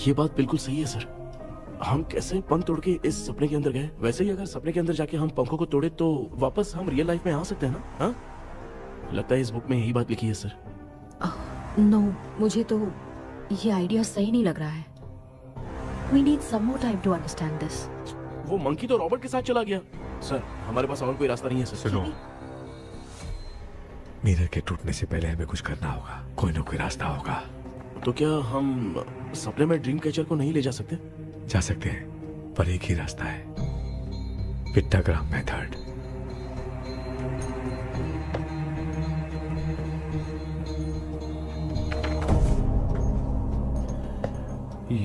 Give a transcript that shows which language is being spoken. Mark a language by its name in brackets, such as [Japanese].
[Hindi] ये बात बिल्कुल सही है सर। हम कैसे पंख तोड़ के इस सपने के अंदर गए? वैसे ही अगर सपने के अंदर जाके हम पंखों को तोड़े तो वापस हम रियल लाइफ में आ सकते हैं ना? हाँ, लगता है इस बुक में यही बात लिखी है सर। नो, मुझे तो ये आइडिया सही नहीं लग रहा है। [English] We need some more time to understand this. [Hindi] वो मंकी तो रॉबर्ट के साथ चला गया। सर, हमारे पास और कोई रास्ता नहीं है सर। सुनो, मिरर के टूटने से पहले हमें कुछ करना होगा। कोई ना कोई रास्ता होगा। तो क्या हम सपने में ड्रीम कैचर को नहीं ले जा सकते? जा सकते हैं, पर एक ही रास्ता है, पिक्टोग्राम मेथड।